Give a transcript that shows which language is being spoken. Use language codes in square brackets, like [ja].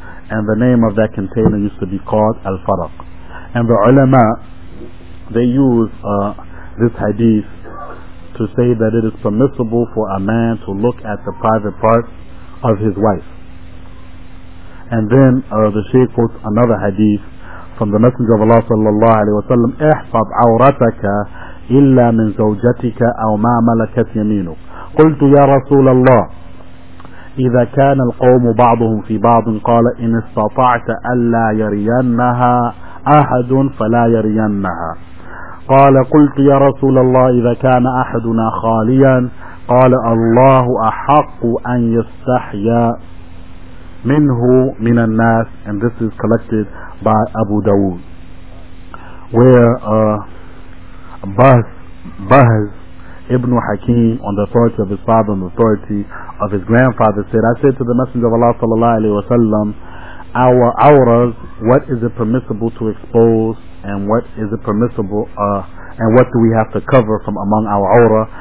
[en] And the name of that container used to be called Al-Faraq. And the ulama, they use this hadith to say that it is permissible for a man to look at the private parts of his wife. And then the Shaykh quotes another hadith from the Messenger of Allah sallallahu alayhi wa sallam, [ar] احفظ عورتك إلا من زوجتك أو ما ملكت يمينك. قلت يا رسول الله إذا كان القوم بعضهم في بعض قال إن استطعت ألا يرينها أحد فلا يرينها. قال قلت يا رسول الله إذا كان أحدنا خاليا قال الله أحق أن يستحيا منه من الناس. [en] And this is collected by Abu Dawood, where Bahz Ibn Hakim, on the authority of his father and the authority of his grandfather, said, I said to the Messenger of Allah sallallahu alayhi wa sallam, our auras, what is it permissible to expose, and what is it permissible and what do we have to cover from among our aura?